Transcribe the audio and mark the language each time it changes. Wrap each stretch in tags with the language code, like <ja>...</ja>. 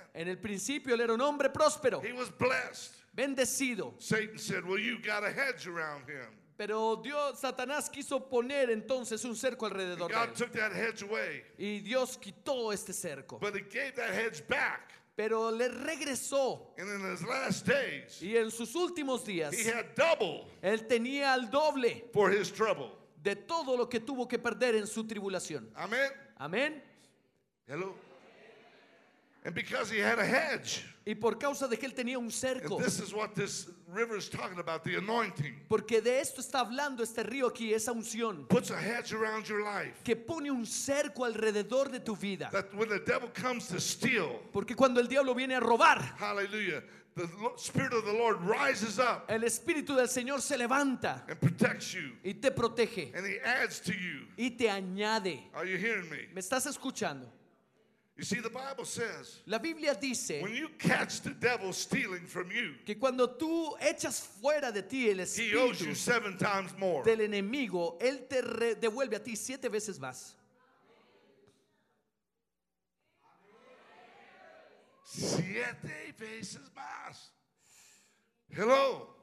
<es>En el principio, él era un hombre próspero.</es> <en>He was blessed.</en> <es>Bendecido.</es> <en>Satan said, "Well, you got a hedge around him."</en> <es>Pero Dios, Satanás quiso poner entonces un cerco alrededor de él.</es> <en>God took that hedge away.</en> <es>Y Dios quitó este cerco.</es> <en>But he gave that hedge back.</en> <es>Pero le regresó.</es> <en>And in his last days.</en> <es>Y en sus últimos días.</es> <en>He had double.</en> <es>Él tenía el doble.</es> <en>For his trouble.</en> <es>De todo lo que tuvo que perder en su tribulación. Amen. Amen.</es> <en>Hello. And because he had a hedge.</en> <es>Y por causa de que él tenía un cerco.</es> <en>And this is what this river is talking about, the anointing.</en> <es>Porque de esto está hablando este río aquí, esa unción.</es> <en>Puts a hedge around your life.</en> <es>Que pone un cerco alrededor de tu vida.</es> <en>That when the devil comes to steal.</en> <es>Porque cuando el diablo viene a robar.</es> <en>Hallelujah. The Spirit of the Lord rises up.</en> <es>El Espíritu del Señor se levanta.</es> <en>And protects you.</en> <es>Y te protege.</es> <en>And he adds to you.</en> <es>Y te añade.</es> <en>Are you hearing me?</en> <es>¿Me estás escuchando?</es> <en>You see, the Bible says,</en> <es>la Biblia dice,</es> <en>when you catch the devil stealing from you,</en> <es>que cuando tú echas fuera de ti el espíritu,</es> <en>he owes you seven times more.</en> <es>Del enemigo, él te devuelve a ti siete veces más. Siete veces más.</es> <en>Hello.</en>